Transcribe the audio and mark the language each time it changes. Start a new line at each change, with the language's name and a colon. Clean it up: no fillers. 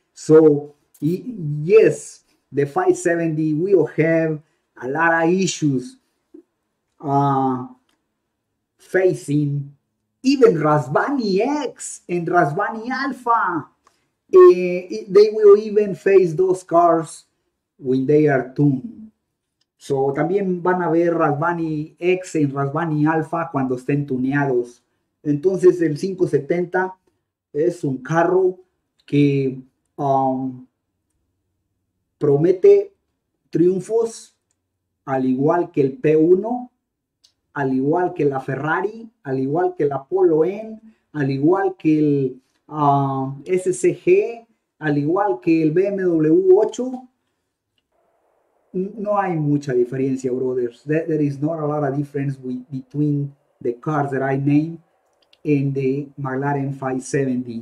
English: So, yes, the 570 will have a lot of issues facing even Razvani X and Razvani Alpha. They will even face those cars when they are tuned.
Spanish: So también van a ver Rasbani X en Rasbani Alpha cuando estén tuneados. Entonces el 570 es un carro que promete triunfos al igual que el P1, al igual que la Ferrari, al igual que la Polo N, al igual que el SCG, al igual que el BMW 8. No hay mucha diferencia, brothers.
English: There is not a lot of difference between the cars that I named and the McLaren 570.